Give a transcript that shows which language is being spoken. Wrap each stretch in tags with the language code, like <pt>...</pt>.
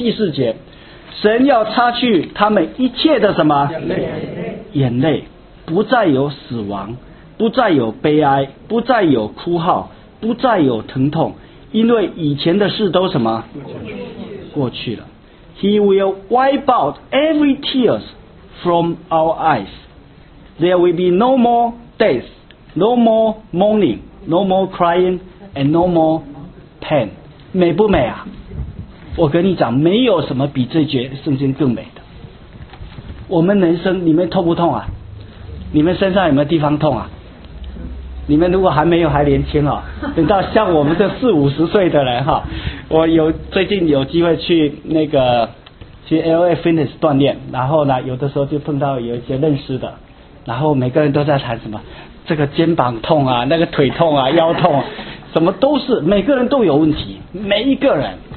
<zh>第四节，神要擦去他们一切的什么？眼泪，不再有死亡，不再有悲哀，不再有哭号，不再有疼痛，因为以前的事都什么过去了。</zh> <en>He will wipe out every tears from our eyes. There will be no more death, no more mourning, no more crying, and no more pain.</en> <zh>美不美啊？我跟你讲，没有什么比这节圣经更美的。我们人生，你们痛不痛啊？你们身上有没有地方痛啊？你们如果还没有还年轻哦，等到像我们这四五十岁的人哈，我有最近有机会去那个去 LA Fitness 锻炼，然后呢有的时候就碰到有一些认识的，然后每个人都在谈什么这个肩膀痛啊，那个腿痛啊，腰痛啊，什么都是，每个人都有问题，每一个人。</zh>